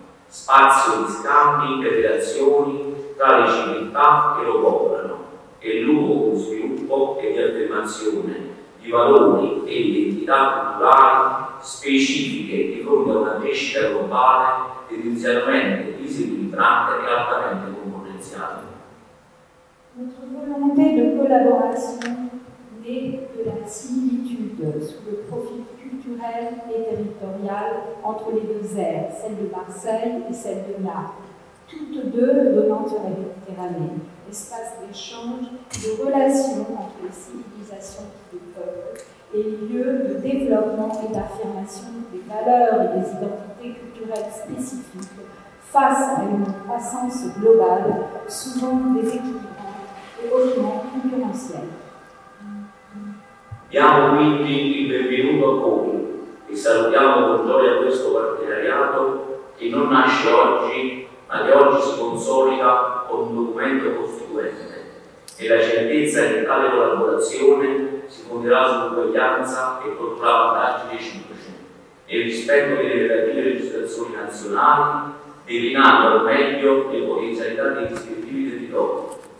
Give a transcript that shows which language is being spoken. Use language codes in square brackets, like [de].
[it] spazio di scambi e relazioni tra le civiltà che lo popolano e luogo di sviluppo e di affermazione di valori e identità culturali specifiche di fronte a una crescita globale tendenzialmente disequilibrata e altamente concorrenziale. [fr] Notre volonté de collaboration naît de la similitude sous le profil culturel et territorial entre les deux aires, celle de Marseille et celle de Naples, toutes deux donnant sur la Méditerranée, espace d'échange, de relations entre les civilisations et les peuples, et lieu de développement et d'affirmation des valeurs et des identités culturelles spécifiques face à une croissance globale, souvent déséquilibrante et hautement concurrentielle. [it] Diamo quindi il benvenuto a voi e salutiamo con gioia questo partenariato che non nasce oggi, ma che oggi si consolida con un documento costituente e la certezza che tale collaborazione si fonderà sull'uguaglianza e porterà vantaggi reciproci nel rispetto delle relative legislazioni nazionali, delineando al meglio le potenzialità dei rispettivi territori